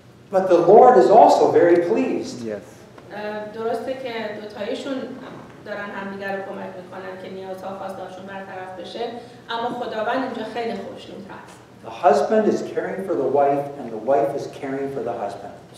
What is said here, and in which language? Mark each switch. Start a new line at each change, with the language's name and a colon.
English: But the Lord is also very pleased. Yes.
Persian: درسته که دو تایشون دارن همدیگر رو کمک میکنن که نیازها و خواستهاشون برطرف بشه اما خداوند اینجا خیلی خوشنود هست.
English: The husband is caring for the wife and the wife is caring for the husband.